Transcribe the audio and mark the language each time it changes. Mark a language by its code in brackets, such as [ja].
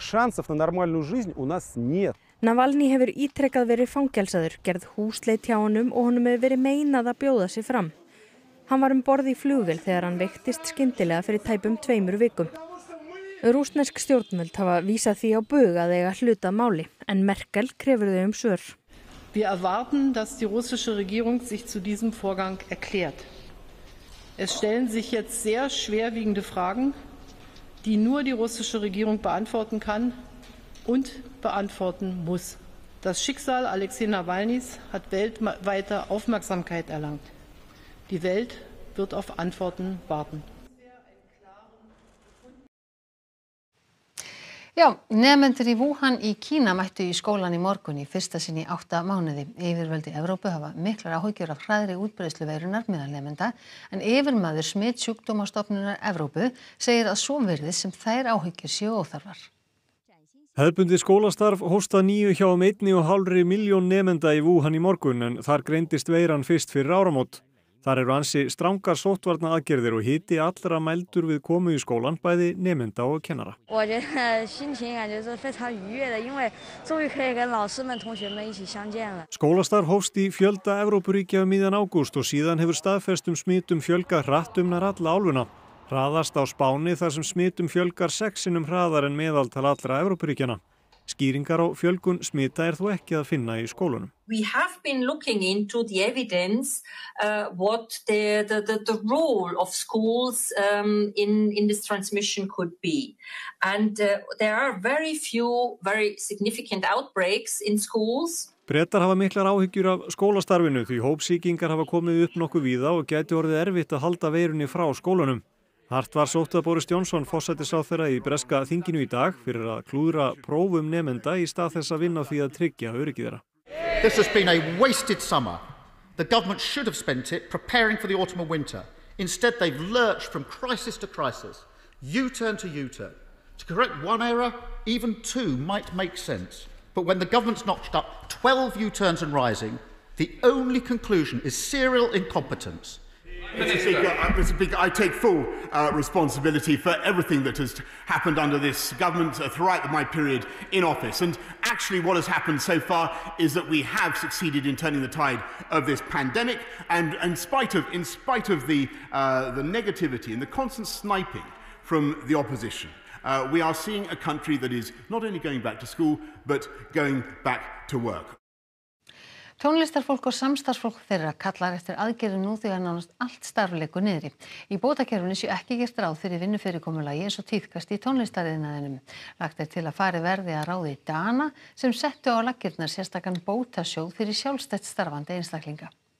[is] Navalny hefur ítrekað verið fangelsaður, gerð húsleit hjá honum og honum hefur verið meinað að bjóða sig fram. Hann var borð í flugvél þegar hann veiktist skyndilega fyrir tæpum tveimur vikum. Rússnesk stjórnvöld hafa vísað því á bug að eiga hluta máli, en Merkel krefur þau svör. [de] Wir erwarten, dass die russische Regierung sich zu diesem Vorgang erklärt. Es stellen sich jetzt sehr schwerwiegende Fragen, die nur die russische Regierung beantworten kann und beantworten muss. Das Schicksal Alexei Navalnys hat weltweite Aufmerksamkeit erlangt. Die Welt wird auf Antworten warten. [is] Já, nemendur í Wuhan í Kína mættu í skólan í morgun í fyrsta sinn í 8 mánuði. Yfirvöld í Evrópu hafa miklar áhyggjur af hraðri útbreiðslu veirunnar meðal nemenda, en yfirmaður smitsjúkdómastofnunar Evrópu segir að svo virðist sem þær áhyggjur séu óþarfar. Hefðbundið skólastarf hósta nýju hjá 1,5 milljón nemenda í Wuhan í morgun, en þar greindist veiran fyrst fyrir áramót. Þar eru ansi strangar sóttvarna aðgerðir og hiti allra mældur við komu í skólan bæði nemenda og kennara. Skólastarf hófst í fjölda Evrópuríkja miðjan ágúst og síðan hefur staðfestum smitum fjölgað hratt nær alla álfuna. Hraðast á Spáni þar sem smitum fjölgar sexinum hraðar en meðaltal allra Evrópuríkjana. Skýringar á fjölgun smita er þó ekki að finna í skólunum. [en] We have been looking into the evidence what the role of schools in this transmission could be. And there are very few very significant outbreaks in schools. [is] Bretar hafa miklar áhyggjur af skólastarfinu því hópsýkingar hafa komið upp nokkuð víða og gæti orðið erfitt að halda veirunni frá skólunum. Hart var sótt að Boris Johnson forsætisráðherra í breska þinginu í dag fyrir að klúðra prófum nemenda í stað þess að vinna því að tryggja öryggi þeirra. [en] This has been a wasted summer. The government should have spent it preparing for the autumn and winter. Instead they've lurched from crisis to crisis, U-turn to U-turn. To correct one error, even two might make sense. But when the government's notched up 12 U-turns and rising, the only conclusion is serial incompetence. Mr. Speaker, I take full responsibility for everything that has happened under this government throughout my period in office. And actually what has happened so far is that we have succeeded in turning the tide of this pandemic. And in spite of the negativity and the constant sniping from the opposition, we are seeing a country that is not only going back to school, but going back to work. [is] Tónlistarfólk og samstarfsfólk þeirra kallar eftir aðgerðum nú þegar nánast allt starf liggur niðri. Í bótakerfinu sé ekki gert ráð fyrir vinnufyrirkomulagi eins og tíðkast í tónlistariðnaðinum. Lagt er til að fari verði að ráði Dana sem settu á laggirnar sérstakan bótasjóð fyrir sjálfstætt starfandi einstaklinga.